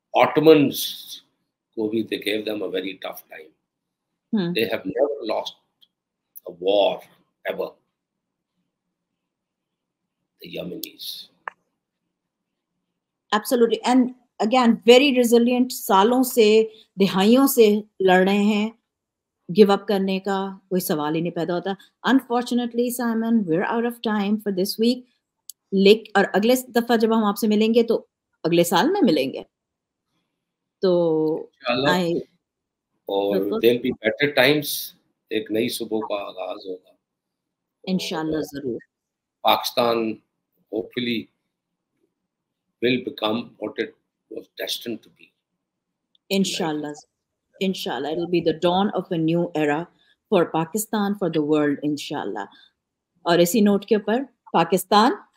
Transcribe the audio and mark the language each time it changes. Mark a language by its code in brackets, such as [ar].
[en] Ottomans [ur] کو بھی [en] They gave them a very tough time. They have never lost a war ever, the Yemenis absolutely and again very resilient, [ur] سالوں سے، دہائیوں سے لڑ رہے ہیں، گیو اپ کرنے کا کوئی سوال ہی نہیں پیدا ہوتا. [en] unfortunately Simon, we are out of time for this week, [ur] leak اور اگلے دفعہ جب ہم آپ سے ملیں گے تو اگلے سال میں ملیں گے. تو اور دل بھی [en] better times, [ur] ایک نئی صبح کا آغاز ہوگا انشاءاللہ. ضرور [en] Pakistan hopefully will become what it was destined to be [ur] انشاءاللہ. [en] انشاءاللہ it will be the dawn of a new era for Pakistan, for the world انشاءاللہ. [ur] اور اسی نوٹ کے اوپر، پاکستان